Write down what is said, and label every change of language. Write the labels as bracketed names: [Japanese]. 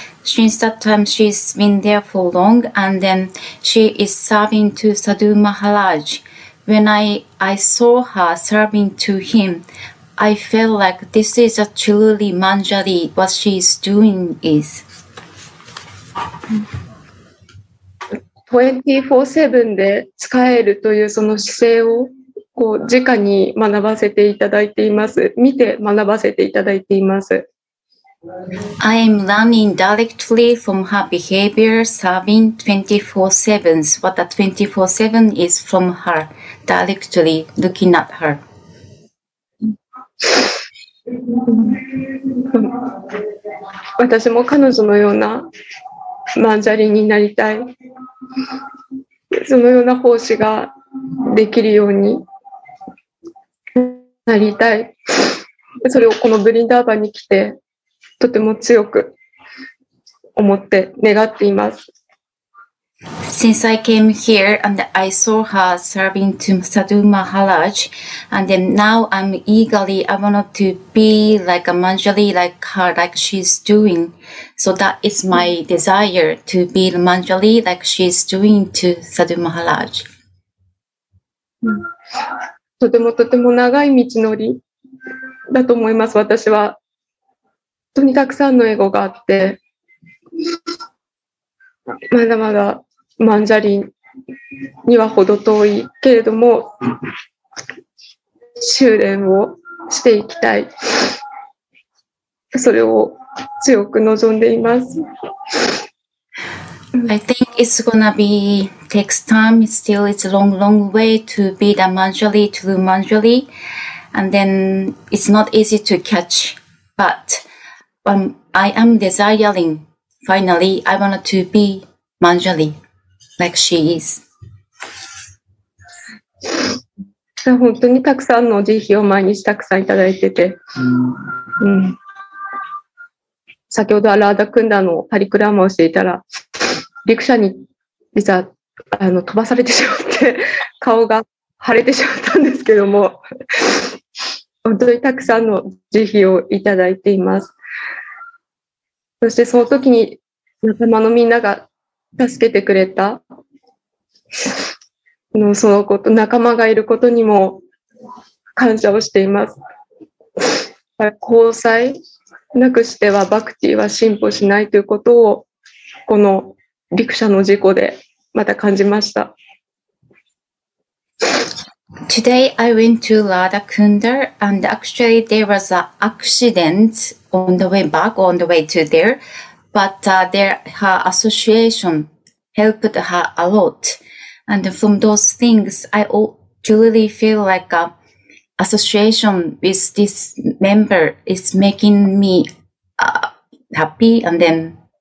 [English] Since that time, she's been there for long, and then she is serving to Sadhu Maharaj. When I saw her serving to him, I felt like this is a truly manjari, what she's doing is. [Japanese] 24/7 で使えるというその姿勢をこう直に学ばせていただいています。見て学ばせていただいています。 [English] I am learning directly from her behavior, serving 24/7. What the 24/7 is from her, directly looking at her. I also want to be like her. I want to be like her. I want to be like her. I want to be like her. I want to be like her. [Japanese] とても強く思って願っています。 [English] Since I came here and I saw her serving to Sadhu Maharaj, and then now I'm eagerly, I want to be like a manjari like her, like she's doing. So that is my desire to be a manjari like she's doing to Sadhu Maharaj. [Japanese] とてもとても長い道のりだと思います、私は。本当にたくさんのエゴがあって、まだまだマンジャリンには程遠いけれども、修練をしていきたい。それを強く望んでいます。 [English] I think it's gonna be takes time. Still, it's a long, long way to be the manjali to do manjali, and then it's not easy to catch. But when I am desiring, finally, I wanted to be manjali like she is. [Japanese] 本当にたくさんの慈悲を毎日たくさんいただいてて、先ほどアラーダクンダのパリクラマをしていたら。リクシャに実は飛ばされてしまって顔が腫れてしまったんですけども本当にたくさんの慈悲をいただいています。そしてその時に仲間のみんなが助けてくれたそのこと仲間がいることにも感謝をしています。交際なくしてはバクティは進歩しないということをこのリクシャの事故でまた感じました。 [English] Today I went to Radha Kunda and actually there was an accident on the way back, on the way to there, but her association helped her a lot. And from those things, I truly feel like an association with this member is making me happy and then.